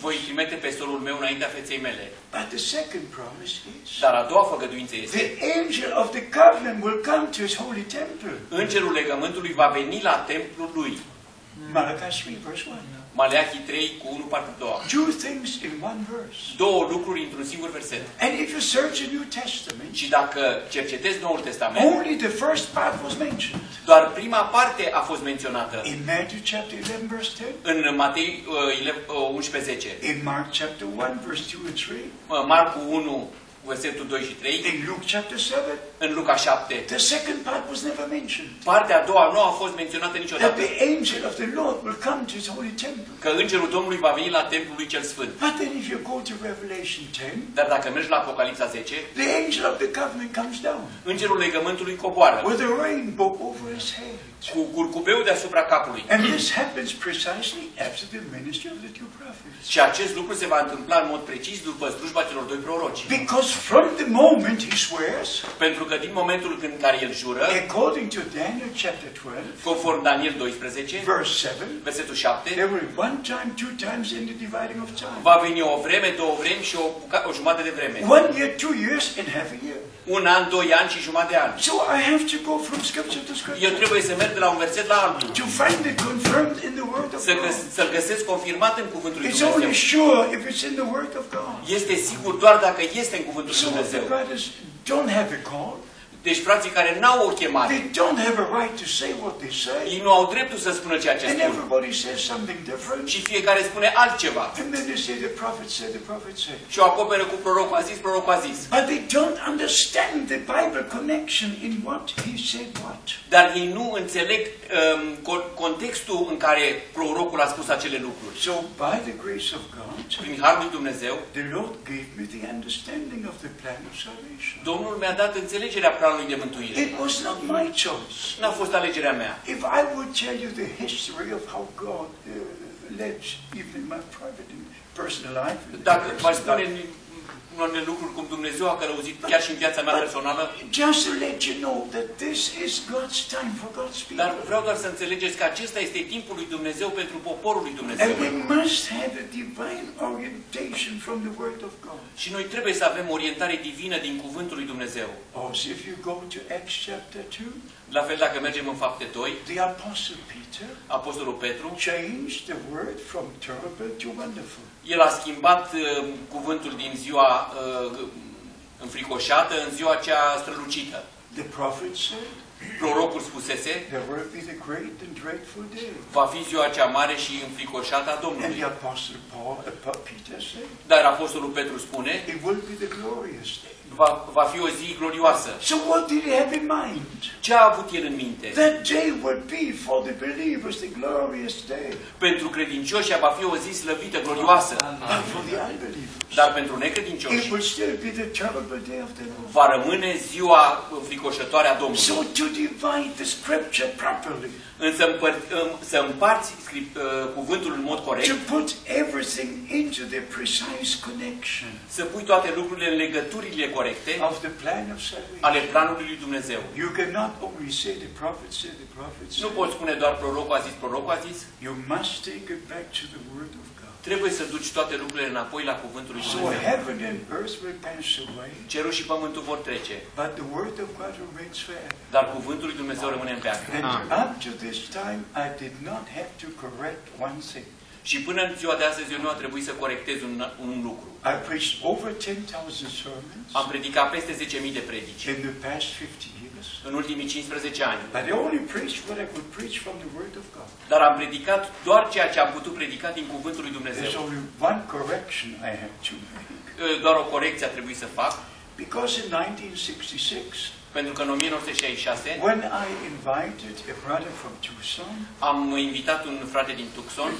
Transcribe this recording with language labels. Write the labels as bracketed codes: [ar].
[ro] Voi trimite pestorul meu înaintea feței mele. [en] But the second promise is, [ro] dar a doua făgăduință este, [en] the angel of the covenant will come to his holy temple. [ro] Îngerul legământului va veni la templul lui. [en] Malachi 3, verse 1. [ro] Maleahi 3 cu 1 parte 2. [en] Two things in one verse. [ro] Două lucruri într-un singur verset. [en] And if you search the New Testament, [ro] și dacă cercetezi Noul Testament, [en] only the first part was mentioned. [ro] Doar prima parte a fost menționată. [en] In Matthew chapter 11 verse 10. [ro] În Matei 11:10. [en] In Mark chapter 1 verse 2 and 3. [ro] Marcu 1 versetul 2 și 3. [en] In Luke chapter 7. [ro] În Luca 7. [en] The second part was never mentioned. [ro] Partea a doua nu a fost menționată niciodată. [en] That the angel of the Lord will come to his holy temple. [ro] Că îngerul Domnului va veni la templul lui cel sfânt. [en] But then if you go to Revelation 10. [ro] Dar dacă mergi la Apocalipsa 10. [en] The angel of the covenant comes down. [ro] Îngerul legământului coboară. [en] With a rainbow over his head. [ro] Cu curcubeul deasupra capului. [en] And this happens precisely after the ministry of the two prophets. [ro] Și acest lucru se va întâmpla în mod precis după slujba celor doi proroci. [en] Because from the moment he swears, [ro] pentru că din momentul în care el jură, [en] according to Daniel chapter 12, [ro] conform Daniel 12, [en] verse 7, [ro] versetul 7, [en] every one time, two times in the dividing of time. [ro] Va veni o vreme, două vremi și o jumătate de vreme. [en] One year, two years, and half a year. [ro] Un an, doi ani și jumătate de an. [en] So I have to go from scripture to scripture. [ro] Eu trebuie să merg de la un verset la altul. [en] To find it confirmed in the word of God. [ro] Să-l găsesc confirmat în cuvântul lui [en] Dumnezeu. It's only sure if it's in the word of God. [ro] Este sigur doar dacă este în cuvântul lui Dumnezeu. [en] So the brothers don't have a call. [ro] Deci frații care n-au o chemare. [en] They don't have a right to say what they say. [ro] Ei nu au dreptul să spună ceea ce spun. [en] And everybody says something different. [ro] Și fiecare spune altceva. [en] And then they say the prophet said, the prophet said. [ro] Și o acoperă cu prorocul, a zis, prorocul a zis. [en] But they don't understand the Bible connection in what he said what. [ro] Dar ei nu înțeleg contextul în care prorocul a spus acele lucruri. [en] So by the grace of God. [ro] Prin harul lui Dumnezeu. [en] The Lord gave me the understanding of the plan of salvation. [ro] Domnul mi-a dat înțelegerea planului de mântuire. [en] It was not my choice. [ro] N-a fost alegerea mea. [en] If I would tell you the history of how God led even my private and personal life. [ro] Dacă v-aș spune unele lucruri cum Dumnezeu a călăuzit chiar și în viața mea personală. [en] Just to let you know that this is God's time for God's people. [ro] Dar vreau doar să înțelegeți că acesta este timpul lui Dumnezeu pentru poporul lui Dumnezeu. [en] And we must have a divine orientation from the word of God. [ro] Și noi trebuie să avem orientare divină din cuvântul lui Dumnezeu. [en] Oh, if you go to Acts chapter 2. [ro] La fel dacă mergem în Fapte 2. [en] The apostle Peter. [ro] Apostolul Petru. [en] Changed the word from terrible to wonderful. [ro] El a schimbat cuvântul din ziua înfricoșată în ziua cea strălucită. [en] The prophet said, [ro] prorocul spusese, [en] there will be the great and dreadful day. [ro] Va fi ziua cea mare și înfricoșată a Domnului. [en] And the apostle Paul, Peter said, [ro] dar apostolul Petru spune, [en] it will be the glorious day. [ro] Va fi o zi glorioasă. [en] So what did he have in mind? [ro] Ce a avut el în minte? [en] That day would be for the believers the glorious day. [ro] Pentru credincioșii va fi o zi slăvită, glorioasă. [en] But for the unbelievers, [ro] dar pentru necredincioși, [en] it will still be the terrible day of the Lord. [ro] Va rămâne ziua înfricoșătoare a Domnului. [en] So to divide the scripture properly. [ro] Însă să împarți cuvântul în mod corect. [en] To put everything into the precise connection. [ro] Să pui toate lucrurile în legăturile corecte. [en] Of the plan of salvation. [ro] Ale planului lui Dumnezeu. [en] You cannot only say the prophet said the prophet said. [ro] Nu poți spune doar prorocul a zis, prorocul a zis. [en] You must take it back to the word of God. [ro] Trebuie să duci toate lucrurile înapoi la cuvântul lui Dumnezeu. [en] So heaven and earth will pass away. [ro] Cerul și pământul vor trece. [en] But the word of God remains forever. [ro] Dar cuvântul lui Dumnezeu rămâne în veac. [en] Up to this time I did not have to correct one thing. [ro] Și până în ziua de astăzi eu nu a trebuit să corectez un lucru. [en] I preached over 10,000 sermons. [ro] Am predicat peste 10,000 de predici. [en] In the past 50 years. [ro] În ultimii 15 ani. [en] But I only preached what I could preach from the word of God. [ro] Dar am predicat doar ceea ce am putut predica din cuvântul lui Dumnezeu. [en] There's only one correction I have to make. [ro] Doar o corecție a trebuit să fac. [en] Because in 1966. [ro] Pentru că în 1966, [en] when I invited a brother from Tucson, [ro] am invitat un frate din Tucson